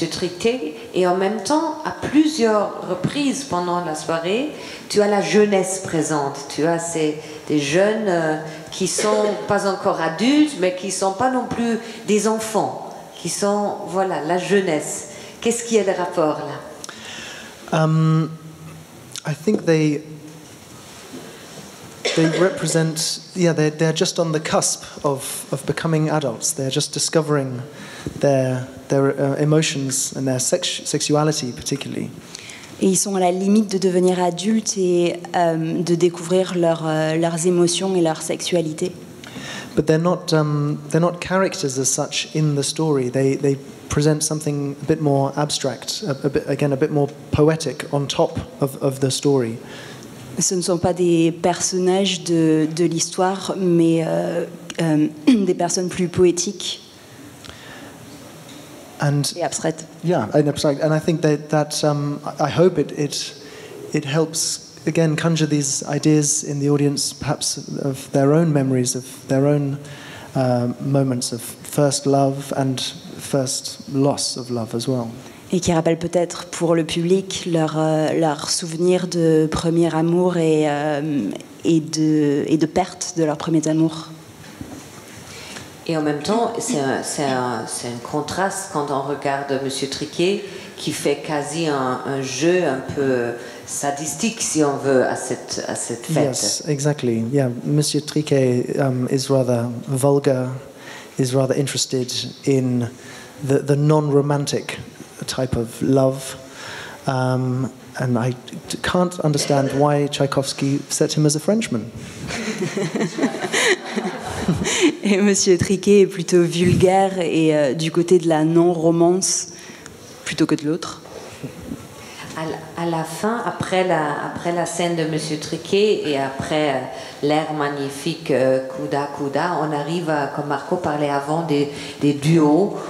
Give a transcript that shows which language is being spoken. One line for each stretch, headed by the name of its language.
French: Triquet et en même temps, à plusieurs reprises pendant la soirée, tu as la jeunesse présente. Tu as des jeunes qui ne sont pas encore adultes, mais qui ne sont pas non plus des enfants, qui sont, voilà, la jeunesse. Qu'est-ce qui est le rapport là?
English: I think they represent, they're just on the cusp of becoming adults. They're just discovering their emotions and their sexuality particularly.
French: Et ils sont à la limite de devenir adultes et de découvrir leurs émotions et leur sexualité.
English: But they're not characters as such in the story. They present something a bit more abstract, a bit more poetic on top of the story.
French: Ce ne sont pas des personnages de l'histoire, mais des personnes plus poétiques et abstraites.
English: Yeah, and abstract. And I think that I hope it helps again conjure these ideas in the audience, perhaps of their own memories, of their own moments of first love and first loss of love as well.
French: Et qui rappellent peut-être pour le public leur souvenir de premier amour et de perte de leur premier amour. Et en même temps, c'est un contraste quand on regarde M. Triquet, qui fait quasi un jeu un peu sadistique, si on veut, à cette fête.
English: Yes, exactly. Yeah, M. Triquet is rather vulgar, is rather interested in the non-romantic type of love, and I can't understand why Tchaïkovski set him as a Frenchman.
French: Et Monsieur Triquet est plutôt vulgaire et du côté de la non-romance plutôt que de l'autre. À la fin, après la scène de Monsieur Triquet et après l'air magnifique Kuda Kuda, on arrive, comme Marco parlait avant, des duos.